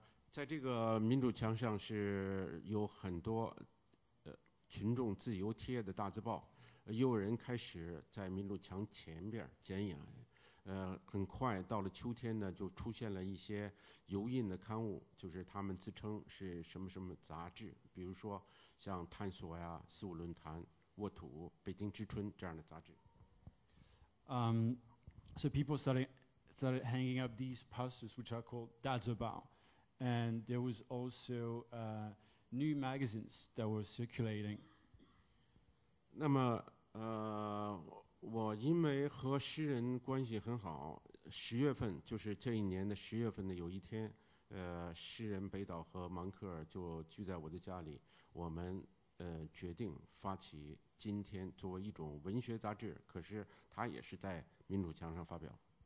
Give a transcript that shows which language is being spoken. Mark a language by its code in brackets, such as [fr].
[zh] 在这个民主墙上是有很多群众自由贴的大字报，又有人开始在民主墙前边剪影，很快到了秋天呢，就出现了一些油印的刊物，就是他们自称是什么什么杂志，比如说像探索呀、四五论坛、沃土、北京之春这样的杂志。 [en] So people started hanging up these posters, which are called Dazobao. And there was also new magazines that were circulating. [zh] 那么，我因为和诗人关系很好，十月份就是这一年的十月份的有一天，诗人北岛和芒克尔就聚在我的家里，我们决定发起今天作为一种文学杂志，可是它也是在民主墙上发表。